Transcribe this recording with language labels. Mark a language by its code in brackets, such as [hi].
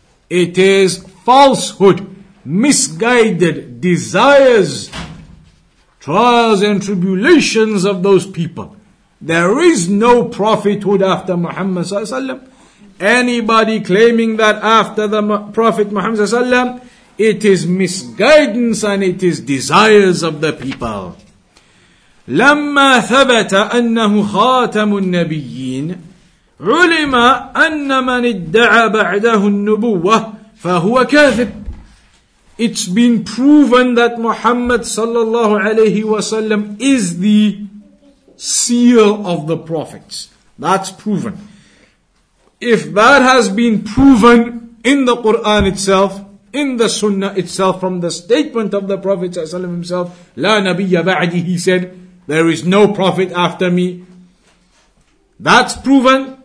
[en] It is falsehood, misguided desires, trials and tribulations of those people. There is no prophethood after Muhammad sallallahu alaihi wasallam. Anybody claiming that after the Prophet Muhammad sallallahu alaihi wasallam, it is misguidance and it is desires of the people. [ar] لما ثبت أنه خاتم النبيين علم أن من ادعى بعده النبوة فهو كاذب. [en] It's been proven that Muhammad sallallahu alayhi wa sallam is the seal of the prophets. That's proven. If that has been proven in the Quran itself, in the Sunnah itself, from the statement of the Prophet sallallahu alayhi wa sallam himself, [ar] لا نبي بعدي, [en] he said, there is no prophet after me. That's proven.